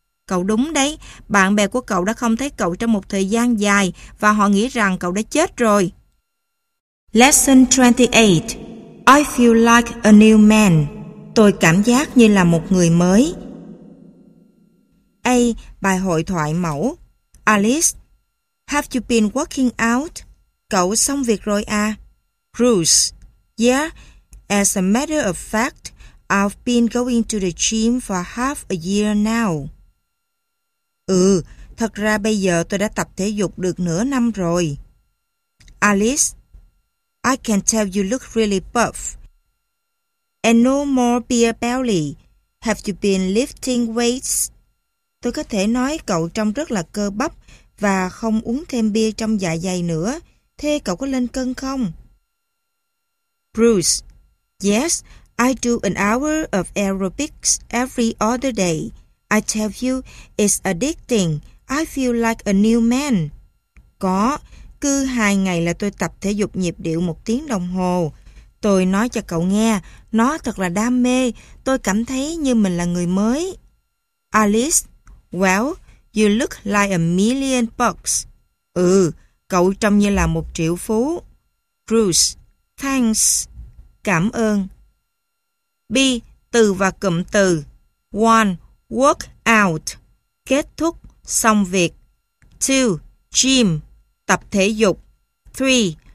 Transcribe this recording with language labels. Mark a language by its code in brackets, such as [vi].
[vi] Cậu đúng đấy, bạn bè của cậu đã không thấy cậu trong một thời gian dài và họ nghĩ rằng cậu đã chết rồi. [en] Lesson 28. I feel like a new man. [vi] Tôi cảm giác như là một người mới. A. Bài hội thoại mẫu. [en] Alice, have you been working out? [vi] Cậu xong việc rồi à? [en] Bruce, yeah, as a matter of fact, I've been going to the gym for half a year now. [vi] Ừ, thật ra bây giờ tôi đã tập thể dục được nửa năm rồi. [en] Alice, I can tell you look really buff. And no more beer belly. Have you been lifting weights? [vi] Tôi có thể nói cậu trông rất là cơ bắp và không uống thêm bia trong dạ dày nữa. Thế cậu có lên cân không? [en] Bruce, yes, I do an hour of aerobics every other day. I tell you, it's addicting. I feel like a new man. [vi] Có, cứ hai ngày là tôi tập thể dục nhịp điệu một tiếng đồng hồ. Tôi nói cho cậu nghe, nó thật là đam mê. Tôi cảm thấy như mình là người mới. [en] Alice, well, you look like a million bucks. [vi] Ừ, cậu trông như là một triệu phú. [en] Bruce, thanks. [vi] Cảm ơn. B. Từ và cụm từ. [en] One. Work out. [vi] Kết thúc, xong việc. 2. Gym. Tập thể dục. 3.